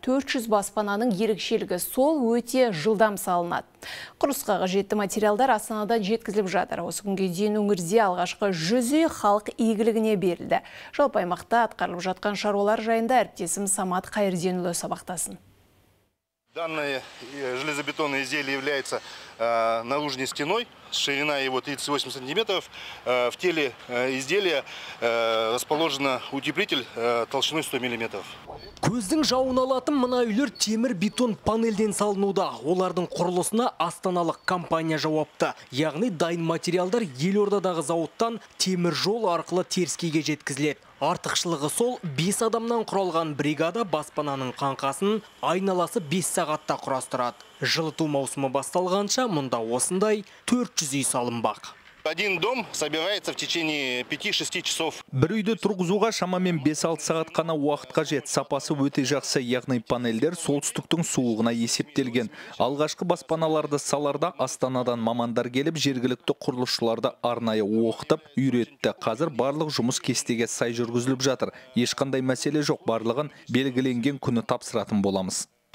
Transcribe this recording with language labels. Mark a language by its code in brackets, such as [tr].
[kk] 400 баспананың ерекшелігі сол өте жылдам салынады. Құрылысқа қажетті материалдар Астанадан жеткізіліп жатыр. Осы күнге дейін өңірде алғашқы 100 үй халық игілігіне берілді. Жалпы аймақта атқарылып жатқан шаруалар жайында әріптесім Самат Қайырденұлы сабақтасын. [ru] Данное железобетонное изделие является наружной стеной, ширина его 38 сантиметров. В теле изделия расположен утеплитель толщиной 100 миллиметров. [kk] Көздің жауын алатын мына үйлер темір-бетон панельден салынуда. Олардың құрылысына астаналық компания жауапты. Яғни дайын материалдар елордадағы зауыттан темір жол арқылы теріскейге жеткізіледі. Артықшылығы сол, 5 адамнан құралған бригада баспананың қаңқасын айналасы 5 сағатта құрастырады. Жылыту маусымы басталғанша мұнда осындай 400 үй салынбақ. [ru] Один дом собирается в течение 5-6 часов. [kk] Бір үйді тұрғызуға шамамен 5-6 сағат қана уақыт қажет. Сапасы өте жақсы, яғни панельдер солтүстіктің суығына есептелген. Алғашқы баспаналарды саларда Астанадан мамандар келіп, жергілікті құрылысшыларды арнайы оқытып, үйретті. Қазір барлық жұмыс кестеге сай жүргізіліп жатыр. Ешқандай мәселе жоқ, барлығын белгіленген күні тапсыратын боламыз.